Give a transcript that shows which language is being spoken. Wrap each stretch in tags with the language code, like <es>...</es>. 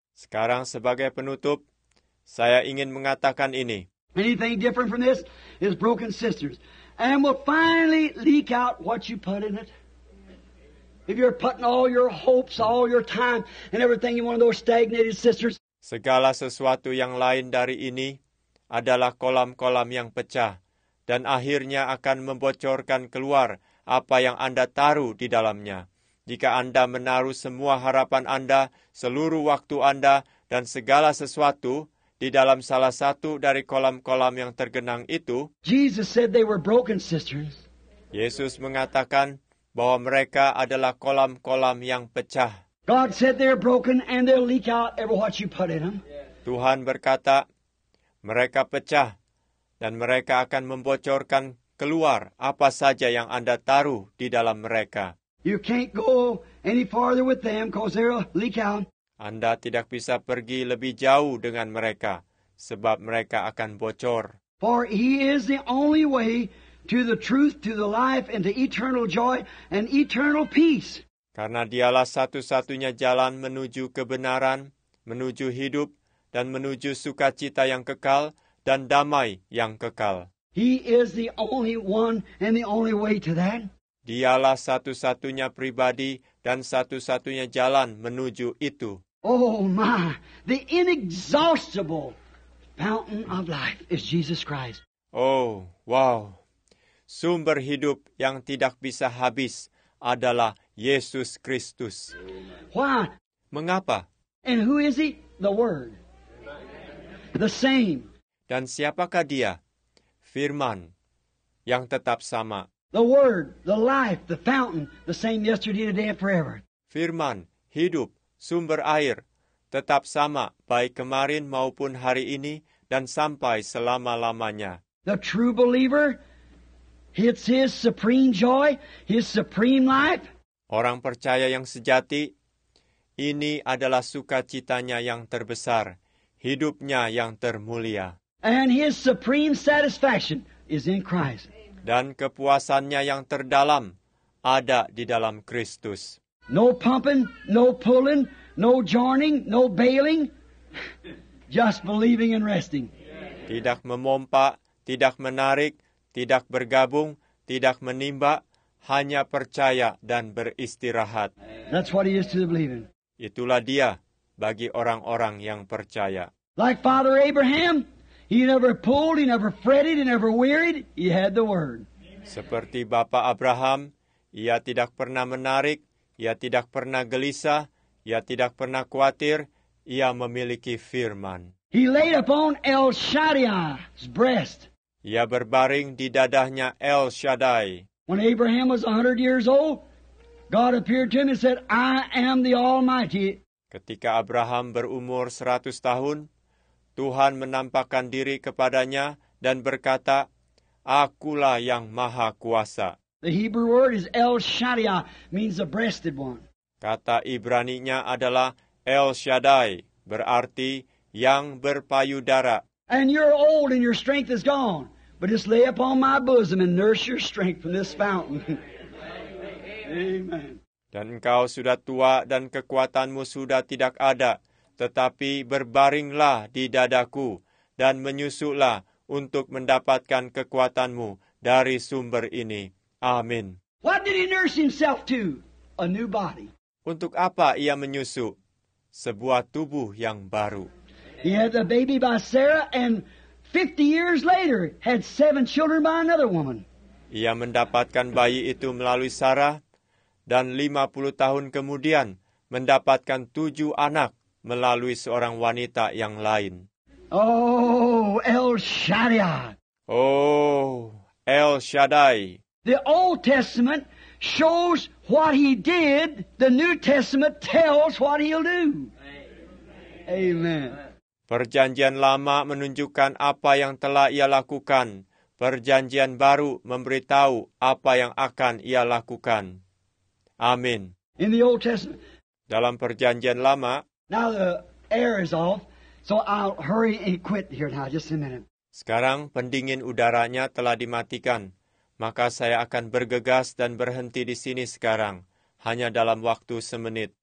<id>Sekarang sebagai penutup, saya ingin mengatakan ini.</id> <en>Anything different from this is broken sisters, and will finally leak out what you put in it. If you're putting all your hopes, all your time, and everything in one of those stagnated sisters.</en> <id>Segala sesuatu yang lain dari ini adalah kolam-kolam yang pecah dan akhirnya akan membocorkan keluar apa yang Anda taruh di dalamnya. Jika Anda menaruh semua harapan Anda, seluruh waktu Anda, dan segala sesuatu di dalam salah satu dari kolam-kolam yang tergenang itu,</id> <en>Jesus said they were broken sisters.</en> <id>Yesus mengatakan bahwa mereka adalah kolam-kolam yang pecah.</id> <en>God said they're broken and they'll leak out every what you put in them.</en> <id>Tuhan berkata, mereka pecah dan mereka akan membocorkan keluar apa saja yang Anda taruh di dalam mereka.</id> <en>You can't go any farther with them because they'll leak out.</en> <id>Anda tidak bisa pergi lebih jauh dengan mereka sebab mereka akan bocor.</id> <en>For he is the only way to the truth, to the life, and to eternal joy and eternal peace.</en> <id>Karena dialah satu-satunya jalan menuju kebenaran, menuju hidup, dan menuju sukacita yang kekal dan damai yang kekal.</id> <en>He is the only one and the only way to that.</en> <id>Dialah satu-satunya pribadi dan satu-satunya jalan menuju itu.</id> <en>Oh my, the inexhaustible fountain of life is Jesus Christ. Oh, wow.</en> <id>Sumber hidup yang tidak bisa habis adalah Yesus Kristus.</id> <en>Why?</en> <id>Mengapa?</id> <en>And who is he? The Word. The same.</en> <id>Dan siapakah dia? Firman yang tetap sama.</id> <en>The Word, the life, the fountain, the same yesterday, today, and forever.</en> <id>Firman, hidup, sumber air, tetap sama baik kemarin maupun hari ini dan sampai selama-lamanya.</id> <en>The true believer, it's his supreme joy, his supreme life.</en> <id>Orang percaya yang sejati, ini adalah sukacitanya yang terbesar, hidupnya yang termulia.</id> <en>And his supreme satisfaction is in Christ.</en> <id>Dan kepuasannya yang terdalam ada di dalam Kristus.</id> <en>No pumping, no pulling, no joining, no bailing, just believing and resting.</en> <id>Tidak memompa, tidak menarik, tidak bergabung, tidak menimba, hanya percaya dan beristirahat.</id> <en>That's what he is to believe in.</en> <id>Itulah dia bagi orang-orang yang percaya.</id> <en>Like Father Abraham, he never pulled, he never fretted, he never wearied, he had the Word.</en> <id>Seperti Bapa Abraham, ia tidak pernah menarik, ia tidak pernah gelisah, ia tidak pernah khawatir, ia memiliki firman.</id> <en>He laid upon El Shaddai's breast.</en> <id>Ia berbaring di dadahnya El Shaddai.</id> <en>When Abraham was 100 years old, God appeared to him and said, I am the Almighty.</en> <id>Ketika Abraham berumur 100 tahun, Tuhan menampakkan diri kepadanya dan berkata, Akulah yang Maha Kuasa.</id> <en>The Hebrew word is El Shaddai, means the breasted one.</en> <id>Kata Ibrani-nya adalah El Shaddai, berarti yang berpayudara.</id> <en>And you're old and your strength is gone, but just lay upon my bosom and nurse your strength from this fountain. Amen.</en> <id>Dan engkau sudah tua dan kekuatanmu sudah tidak ada, tetapi berbaringlah di dadaku dan menyusuklah untuk mendapatkan kekuatanmu dari sumber ini. Amin.</id> <en>What did he nurse himself to? A new body.</en> <id>Untuk apa ia menyusuk? Sebuah tubuh yang baru.</id> <en>He had a baby by Sarah and 50 years later had 7 children by another woman.</en> <id>Ia mendapatkan bayi itu melalui Sarah dan 50 tahun kemudian mendapatkan 7 anak melalui seorang wanita yang lain.</id> <en>Oh, El Shaddai.</en> <id>Oh, El Shaddai.</id> <en>The Old Testament shows what he did, the New Testament tells what he'll do. Amen.</en> <id>Perjanjian lama menunjukkan apa yang telah ia lakukan. Perjanjian baru memberitahu apa yang akan ia lakukan. Amin.</id> <en>In the Old Testament.</en> <id>Dalam perjanjian lama.</id> <en>Now the air is off, so I'll hurry and quit here now, just a minute.</en> <id>Sekarang pendingin udaranya telah dimatikan. Maka saya akan bergegas dan berhenti di sini sekarang, hanya dalam waktu semenit.</id>